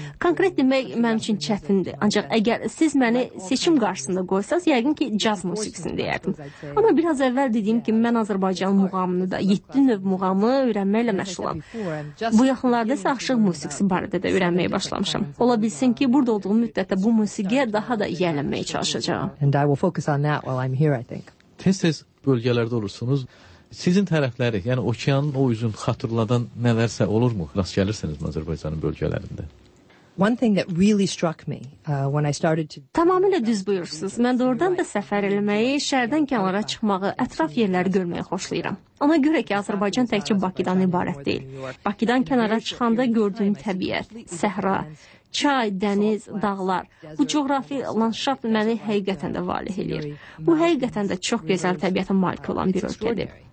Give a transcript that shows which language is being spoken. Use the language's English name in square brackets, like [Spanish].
[Azerbaijani] Konkret demək mənim üçün çətindir. Ancaq əgər siz məni seçim qarşısında qoysanız, yəqin ki, caz musiqisini deyərdim. Amma biraz əvvəl dediyim kimi, mən Azərbaycan muğamını da, 7 növ muğamı öyrənməklə məşğulam. Bu yaxınlarda isə aşıq musiqisi barədə də öyrənməyə başlamışam. Ola bilsin ki, burada olduğum müddətdə bu musiqiyə daha da yiyələnməyə çalışacağam. [English] And I will focus on that while I'm here, I think. [Azerbaijani] Tez-tez bölgələrdə olursunuz. Sizin tərəfləri, yəni okeanın o üzün xatırladan nələrsə olurmu? Rast gəlirsiniz Azərbaycanın bölgələrində? [English] One thing that really struck me when I started to [Azerbaijani] Tamamilə düz buyursunuz. Mən doğrudan da səfər eləməyi, şəhərdən kənara çıxmağı, ətraf yerləri görməyi xoşlayıram. Ona görə ki, Azərbaycan təkcə Bakıdan ibarət deyil. Bakıdan kənara çıxanda gördüyüm təbiət, səhra, çay, dəniz, dağlar. Bu coğrafi landşaft məni həqiqətən də valeh eləyir. Bu həqiqətən də çox gözəl təbiətə malik olan bir ölkədir.